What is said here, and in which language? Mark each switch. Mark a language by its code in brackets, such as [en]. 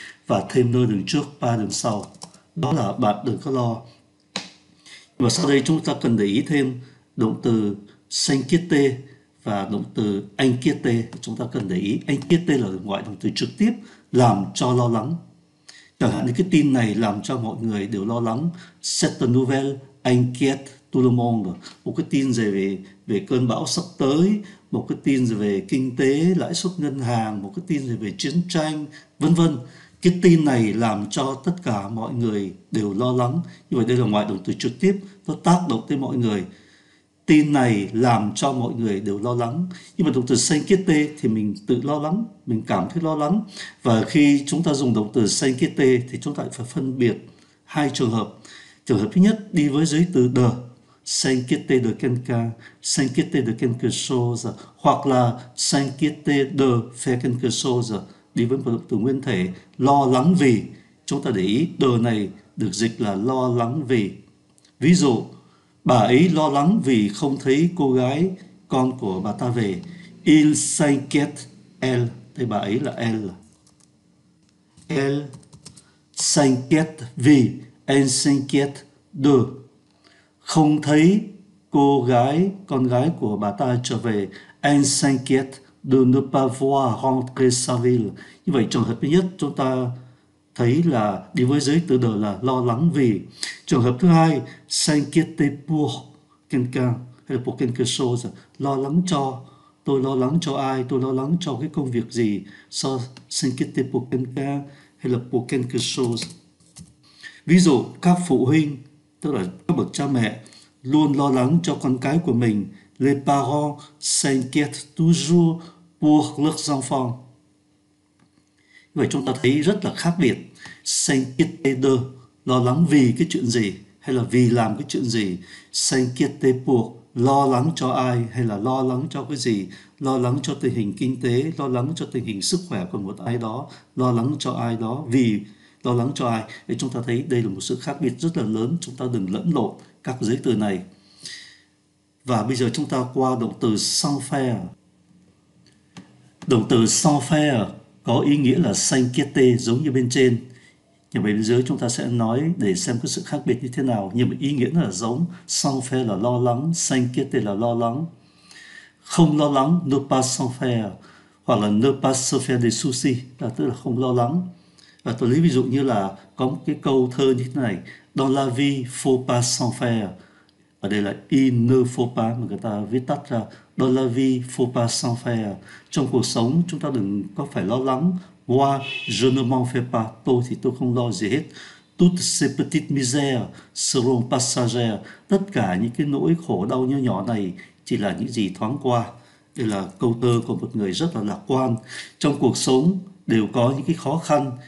[vi] Và thêm nơi đằng trước, ba đằng sau. Đó là bạn đừng có lo. Và sau đây chúng ta cần để ý thêm động từ sankete và động từ ankete. Chúng ta cần để ý ankete là gọi động từ trực tiếp làm cho lo lắng. Chẳng hạn như cái tin này làm cho mọi người đều lo lắng. [fr] Cette nouvelle inquiète tout le monde. [vi] Một cái tin về về cơn bão sắp tới, một cái tin về kinh tế, lãi suất ngân hàng, một cái tin về chiến tranh, vân vân. Cái tin này làm cho tất cả mọi người đều lo lắng. Như vậy đây là ngoại động từ trực tiếp, nó tác động tới mọi người. Tin này làm cho mọi người đều lo lắng. Nhưng mà động từ s'inquiéter thì mình tự lo lắng, mình cảm thấy lo lắng. Và khi chúng ta dùng động từ s'inquiéter thì chúng ta phải phân biệt hai trường hợp. Trường hợp thứ nhất đi với giới từ de, [fr] s'inquiéter de quelqu'un, s'inquiéter de quelque chose, [vi] hoặc là s'inquiéter de faire quelque chose, đi với một động từ nguyên thể, lo lắng vì. Chúng ta để ý, de này được dịch là lo lắng vì. Ví dụ, bà ấy lo lắng vì không thấy cô gái con của bà ta về. Il s'inquiète, elle, thì bà ấy là elle. [fr] Elle s'inquiète vì, elle s'inquiète de. [vi] Không thấy cô gái, con gái của bà ta trở về. [fr] Elle s'inquiète de ne pas voir rentrer sa ville. [vi] Như vậy, trường hợp thứ nhất, chúng ta thấy là đi với giới từ de là lo lắng vì. Trường hợp thứ hai, [fr] s'inquiéter pour quelqu'un hay là pour quelque chose, [vi] lo lắng cho, tôi lo lắng cho ai, tôi lo lắng cho cái công việc gì, so s'inquiéter pour quelqu'un hay là pour quelque chose. Ví dụ, các phụ huynh, tức là các bậc cha mẹ, luôn lo lắng cho con cái của mình. [fr] Les parents s'inquiètent toujours pour leurs enfants. [vi] Vậy chúng ta thấy rất là khác biệt. S'inquiéter de, lo lắng vì cái chuyện gì, hay là vì làm cái chuyện gì. S'inquiéter pour, lo lắng cho ai, hay là lo lắng cho cái gì. Lo lắng cho tình hình kinh tế, lo lắng cho tình hình sức khỏe của một ai đó. Lo lắng cho ai đó, vì lo lắng cho ai. Thì chúng ta thấy đây là một sự khác biệt rất là lớn. Chúng ta đừng lẫn lộn các giới từ này. Và bây giờ chúng ta qua động từ sans faire. Động từ sans faire có ý nghĩa là s'inquiéter giống như bên trên. Nhưng bên dưới chúng ta sẽ nói để xem có sự khác biệt như thế nào. Nhưng mà ý nghĩa là giống. Sans faire là lo lắng, s'inquiéter là lo lắng. Không lo lắng, [fr] ne pas s'en faire. [vi] Hoặc là [fr] ne pas se faire des soucis, [vi] là tức là không lo lắng. Và tôi lấy ví dụ như là có một cái câu thơ như thế này. [fr] Dans la vie, faut pas s'en faire. [vi] Ở đây là il ne faut pas, mà người ta viết tắt ra. [fr] Dans la vie, faut pas s'en faire. [vi] Trong cuộc sống, chúng ta đừng có phải lo lắng. [fr] Moi, je ne m'en fais pas. [vi] Tôi thì tôi không lo gì hết. [fr] Toutes ces petites misères seront passagères. [vi] Tất cả những cái nỗi khổ đau nhỏ nhỏ này chỉ là những gì thoáng qua. Đây là câu thơ của một người rất là lạc quan. Trong cuộc sống đều có những cái khó khăn.